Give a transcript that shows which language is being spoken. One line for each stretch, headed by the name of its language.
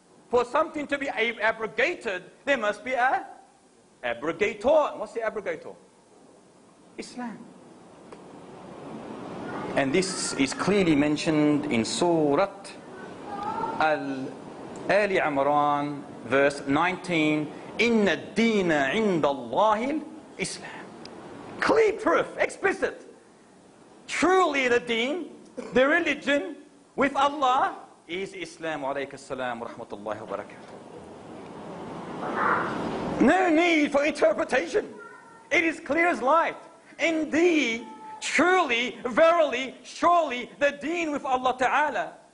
English: For something to be abrogated, there must be a abrogator. What's the abrogator? Islam. And this is clearly mentioned in Surah Al
Arabic: Ali Imran, verse 19, إِنَّ الدِّينَ عِنْدَ اللَّهِ الْإِسْلَامِ.
English: Clear proof, explicit. Truly the deen, the religion with Allah is Islam.
Arabic: Alayka salam wa rahmatullahi wa barakatuh.
English: No need for interpretation. It is clear as light. Indeed, truly, verily, surely the deen with Allah Ta'ala.